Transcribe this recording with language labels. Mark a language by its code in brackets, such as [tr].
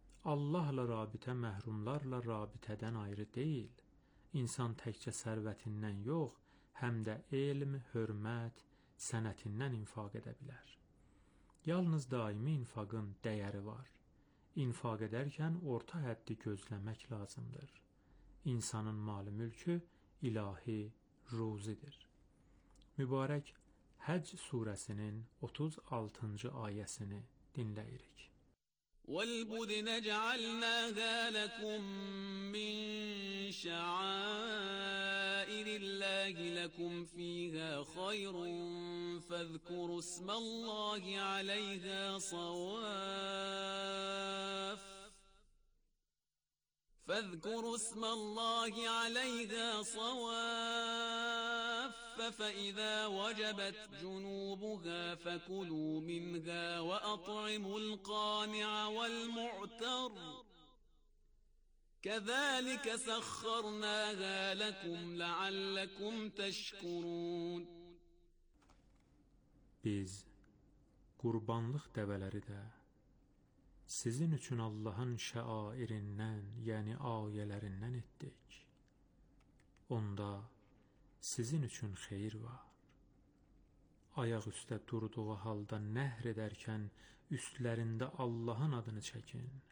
[az] Allahla rabitə məhrumlarla rabitədən ayrı deyil. İnsan təkcə sərvətindən yox, həm də elm, hörmət, sənətindən infaq edə bilər. Yalnız daimi infaqın dəyəri var. İnfaq edərkən orta həddi gözləmək lazımdır. İnsanın mal mülkü ilahi ruzidir. Mübarək Həcc surəsinin 36-cı ayəsini dinləyirik. [ar] وَالْبُدْنَ جَعَلْنَاهَا لَكُمْ مِنْ شَعَائِرِ اللَّهِ لَكُمْ فِيهَا خَيْرٌ فَاذْكُرُوا اسْمَ اللَّهِ عَلَيْهَا صَوَافَّ فاذكروا اسم الله عليها صواف فإذا وجبت جنوبها فكلوا منها وأطعموا القانع والمعتر كذلك سخرناها لكم لعلكم تشكرون [az] Biz qurbanlıq dəvələri də Sizin üçün Allahın şəairindən, yəni ayələrindən etdik. Onda sizin üçün xeyir var. Ayaq üstə durduğu halda nəhr edərkən üstlərində Allahın adını çəkin.